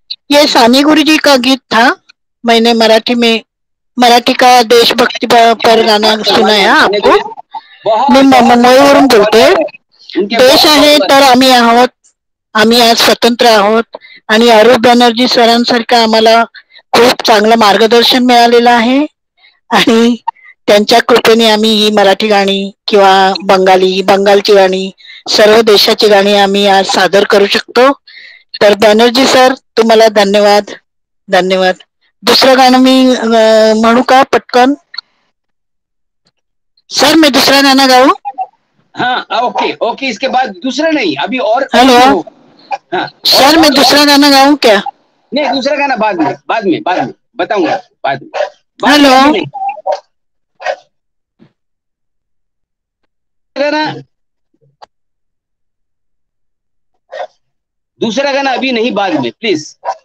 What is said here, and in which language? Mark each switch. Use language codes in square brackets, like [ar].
[hi] ये सानी गुरु जी का गीत था, मैंने मराठी में मराठी का देशभक्ति पर गाना सुनाया आपको। [mr] मी मुंबईवरून बोलते, देश आहे तर आम्ही आहोत, आम्ही आज स्वतंत्र आहोत आणि अरुण बॅनर्जी सरांसारखं आम्हाला खूप चांगलं मार्गदर्शन मिळालेलं आहे आणि त्यांच्या कृपेने आम्ही ही मराठी गाणी किंवा बंगाली बंगालची गाणी सर्व देशाची गाणी आम्ही आज सादर करू शकतो। तर बॅनर्जी सर तुम्हाला धन्यवाद, धन्यवाद। दुसरं गाणं मी म्हणू का पटकन? सर मी दुसरं गाणं गाऊ? [hi] हा ओके ओके, इसके बाद [mr] दुसरं नाही [hi] अभी और। [mr] हॅलो, हा सर मी दुसरं गाणं गाऊ क्या? नाही दुसरं गाणं [hi] बाद में, बाद में, बाद में बताऊंगा बाद में। हॅलो [mr] दुसरं गाणं [hi] अभी [mr] नाही [hi] बाद में [mr] प्लीज।